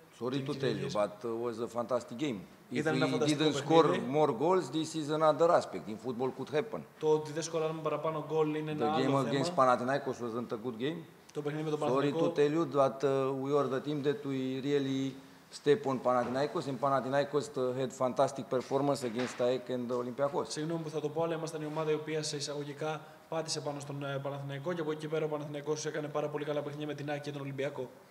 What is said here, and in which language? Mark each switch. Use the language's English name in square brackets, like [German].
[English] Sorry to tell you, but it was a fantastic game. [Greek] Ήταν [English] if we didn't score more goals, this is another aspect. In football could happen. [Greek] Το ότι δεν σκοράμε παραπάνω γκολ είναι ένα άλλο θέμα. [English] The game against Panathinaikos wasn't a good game. [Greek] Το παιχνίδι με τον Πανετολικό. [English] Sorry to tell you, but we are the team that we really step on Panathinaikos, and Panathinaikos had fantastic performance against AEK and Olympiakos. [Greek] Συγγνώμη που θα το πω, αλλά ήμασταν η ομάδα η οποία σε εισαγωγικά πάτησε πάνω στον Παναθηναϊκό και από εκεί πέρα ο Παναθηναϊκός έκανε πάρα πολύ καλά παιχνίδια με την ΑΕΚ και τον Ολυμπιακό.